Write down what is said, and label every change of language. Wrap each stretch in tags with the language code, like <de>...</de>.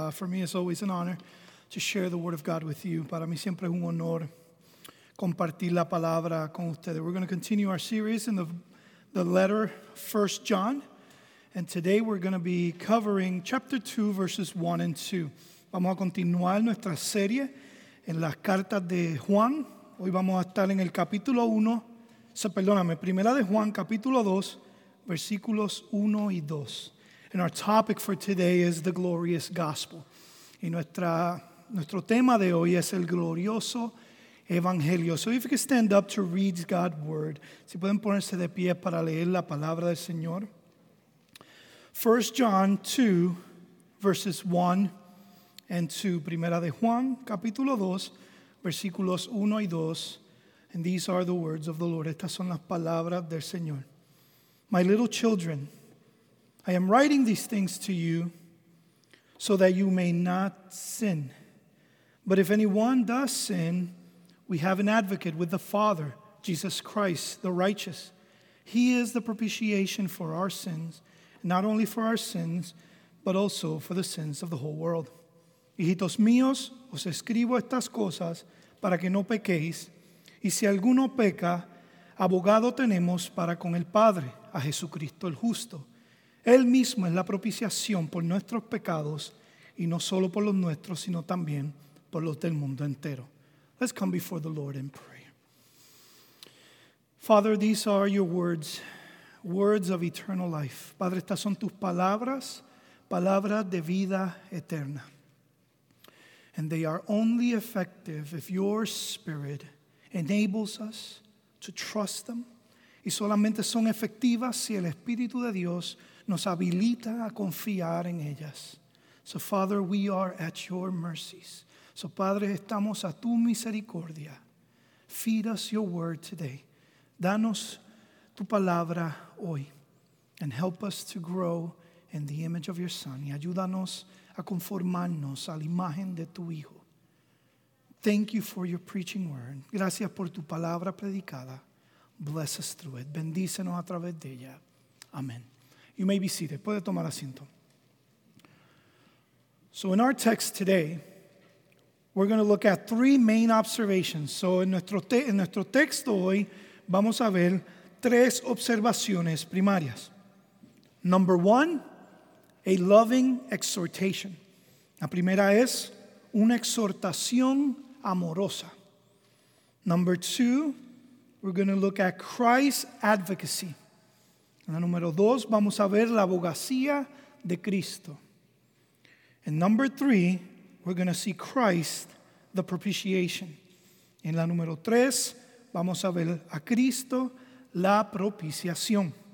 <en>For me, it's always an honor to share the word of God with you.</en> <es>Para mí siempre es un honor compartir la palabra con ustedes.</es> <en>We're going to continue our series in the letter 1 John. And today we're going to be covering chapter 2, verses 1 and 2.</en> <es>Vamos a continuar nuestra serie en las cartas de Juan. Hoy vamos a estar en el capítulo 1. Perdóname, primera de Juan, capítulo 2, versículos 1 y 2.</es> <en>And our topic for today is the glorious gospel.</en> <es>Y nuestro tema de hoy es el glorioso evangelio.</es> <en>So if you can stand up to read God's word.</en> <es>Si pueden ponerse de pie para leer la palabra del Señor.</es> <en>1 John 2, verses 1 and 2.</en> <es>Primera de Juan, capítulo 2, versículos 1 y 2.</es> <en>And these are the words of the Lord.</en> <es>Estas son las palabras del Señor.</es> <en>My little children, I am writing these things to you so that you may not sin. But if anyone does sin, we have an advocate with the Father, Jesus Christ, the righteous. He is the propitiation for our sins, not only for our sins, but also for the sins of the whole world.</en> <es>Hijitos míos, os escribo estas cosas para que no pequéis. Y si alguno peca, abogado tenemos para con el Padre, a Jesucristo el justo. Él mismo es la propiciación por nuestros pecados, y no solo por los nuestros, sino también por los del mundo entero.</es> <en>Let's come before the Lord in prayer. Father, these are your words, words of eternal life.</en> <es>Padre, estas son tus palabras, palabras de vida eterna.</es> <en>And they are only effective if your Spirit enables us to trust them.</en> <es>Y solamente son efectivas si el Espíritu de Dios nos habilita a confiar en ellas.</es> <en>So, Father, we are at your mercies. So,</en> <es>Padre, estamos a tu misericordia.</es> <en>Feed us your word today.</en> <es>Danos tu palabra hoy.</es> <en>And help us to grow in the image of your Son.</en> <es>Y ayúdanos a conformarnos a la imagen de tu Hijo.</es> <en>Thank you for your preaching word.</en> <es>Gracias por tu palabra predicada.</es> <en>Bless us through it.</en> <es>Bendícenos a través de ella. Amen.</es> <en>You may be seated.</en> <es>Puede tomar asiento.</es> <en>So in our text today, we're going to look at three main observations.</en> <es>So en nuestro texto hoy, vamos a ver tres observaciones primarias.</es> <en>Number one, a loving exhortation.</en> <es>La primera es una exhortación amorosa.</es> <en>Number two, we're going to look at Christ's advocacy.</en> <es>La número dos, vamos a ver la abogacía de Cristo.</es> <en>And number three, we're going to see Christ, the propitiation.</en> <es>En la número tres, vamos a ver a Cristo, la propiciación.</es>